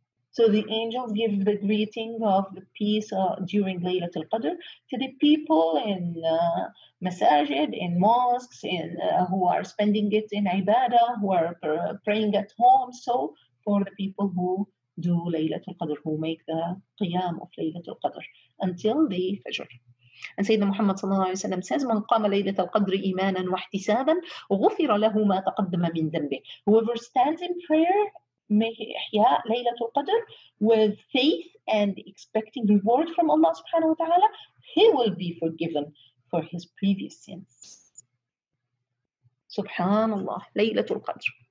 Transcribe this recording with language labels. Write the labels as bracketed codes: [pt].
[en] So the angels give the greeting of the peace during Laylatul Qadr to the people in masajid, in mosques, who are spending it in ibadah, who are praying at home. So for the people who do Laylatul Qadr, who make the qiyam of Laylatul Qadr until the fajr. And Sayyidina Muhammad sallallahu alayhi wa sallam says, [ar] من قام ليلة القدر إيمانا واحتسابا غفر له ما تقدم من ذنبه. [en] Whoever stands in prayer, Laylatul Qadr, with faith and expecting reward from Allah subhanahu wa ta'ala, he will be forgiven for his previous sins. Subhanallah, Laylatul Qadr.